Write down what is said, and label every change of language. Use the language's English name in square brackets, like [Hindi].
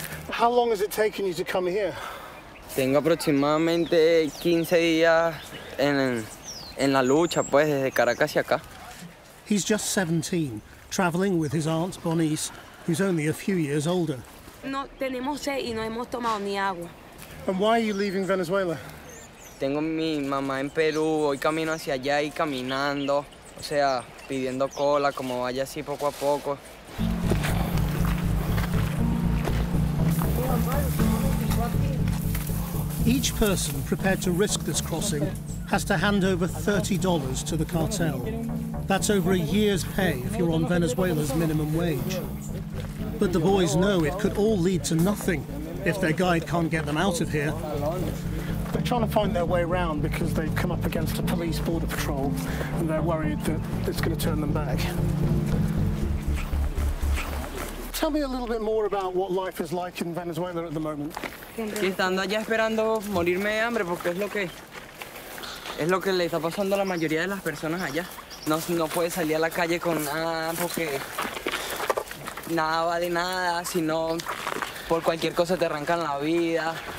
[English] How long has it taken you to come here? [Spanish] Tengo aproximadamente 15 días en la lucha, pues, desde Caracas y acá. [English] He's just 17, traveling with his aunt Bonice, who's only a few years older. [Spanish] No tenemos sed y no hemos tomado ni agua. [English] And why are you leaving Venezuela? [Spanish] Tengo mi mamá en Perú, voy camino hacia allá y caminando, o sea, pidiendo cola, como vaya así poco a poco. [English] Each person prepared to risk this crossing has to hand over $30 to the cartel. That's over a year's pay if you're on Venezuela's minimum wage. But the boys know it could all lead to nothing if their guide can't get them out of here. They're trying to find their way around because they've come up against a police border patrol and they're worried that it's going to turn them back. Tell me a little bit more about what life is like in Venezuela at the moment. [Spanish] Estando allá esperando morirme de hambre porque es lo que le está pasando a la mayoría de las personas allá. No, no puede salir a la calle con nada porque nada vale nada, sino por cualquier cosa te arrancan la vida.